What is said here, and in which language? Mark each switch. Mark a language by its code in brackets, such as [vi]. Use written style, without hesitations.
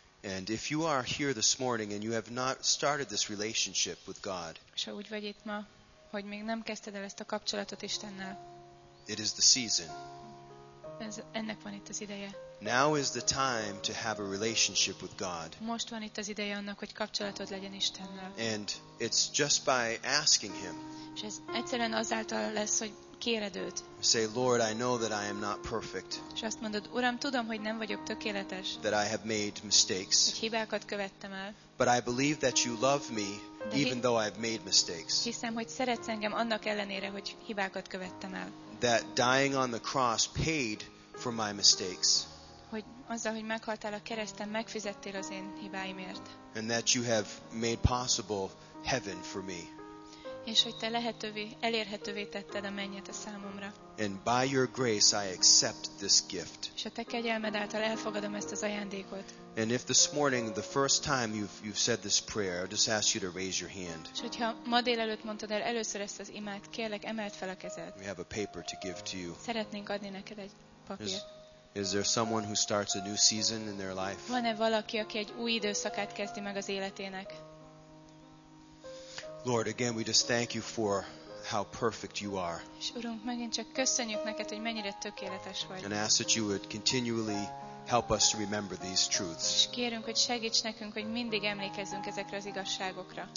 [en] And if you are here this morning and you have not started this relationship with God. [hu] És ha úgy vagy itt ma, hogy még nem kezdted el ezt a kapcsolatot Istennel. [en] It is the season. [hu] Ennek van itt az ideje. [en] Now is the time to have a relationship with God. [hu] Most van itt az ideje annak, hogy kapcsolatod legyen Istennel. [en] And it's just by asking him. [hu] És ez egyszerűen azáltal lesz, hogy kéred őt. [en] Say, Lord, I know that I am not perfect. [hu] És azt mondod, Uram, tudom, hogy nem vagyok tökéletes. [en] That I have made mistakes. [hu] Hogy hibákat követtem el. [en] But I believe that you love me, even though I've made mistakes. [hu] Hiszem, hogy szeretsz engem annak ellenére, hogy hibákat követtem el. [en] That dying on the cross paid for my mistakes. [hu] Hogy azzal, hogy meghaltál a kereszten, megfizettél az én hibáimért. [en] And that you have made possible heaven for me. [hu] És hogy te elérhetővé tetted a mennyet a számomra. [en] And by your grace I accept this gift. [hu] És a te kegyelmed által elfogadom ezt az ajándékot. [en] And if this morning the first time you've said this prayer, I just ask you to raise your hand. [hu] És hogyha ma délelőtt mondtad el először ezt az imát, kérlek, emeld fel a kezed. [en] We have a paper to give to you. [hu] Szeretnénk adni neked egy papírt. [en] Is there someone who starts a new season in their life? [hu] Van-e valaki, aki egy új időszakát kezdi meg az életének? [en] Lord, again we just thank you for how perfect you are. [hu] És Urunk, megint csak köszönjük neked, hogy mennyire tökéletes vagy. [en] And ask that you would continually help us remember these truths. [hu] És kérünk, hogy segíts nekünk, hogy mindig emlékezzünk ezekre az igazságokra.